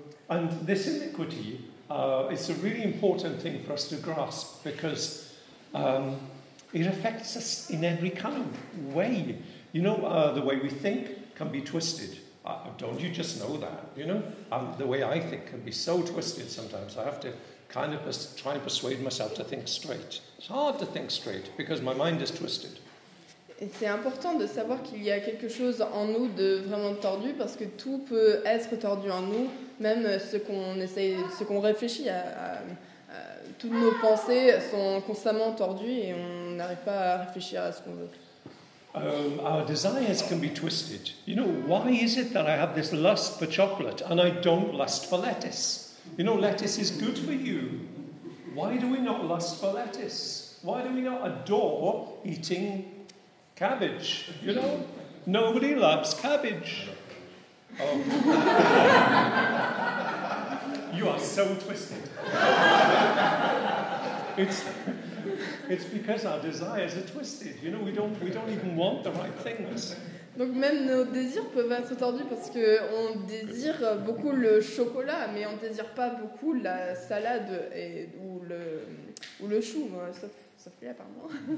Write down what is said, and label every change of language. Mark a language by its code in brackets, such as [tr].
[en] And this iniquity, it's a really important thing for us to grasp because it affects us in every kind of way. You know, the way we think can be twisted. Don't you just know that, you know? The way I think can be so twisted sometimes. I have to kind of try and persuade myself to think straight. It's hard to think straight because my mind is twisted. [fr] Et c'est important de savoir qu'il y a quelque chose en nous de vraiment tordu parce que tout peut être tordu en nous, même ce qu'on réfléchit à. Toutes nos pensées sont constamment tordues et on n'arrive pas à réfléchir à ce qu'on veut. [en] Our desires can be twisted. You know, why is it that I have this lust for chocolate and I don't lust for lettuce? You know, lettuce is good for you. Why do we not lust for lettuce? Why do we not adore eating cabbage? You know, nobody loves cabbage. Oh. You are so twisted. It's because our desires are twisted. You know, we don't even want the right things. [fr] Donc même nos désirs peuvent être tordus parce que on désire beaucoup le chocolat, mais on désire pas beaucoup la salade ou le chou, sauf lui apparemment.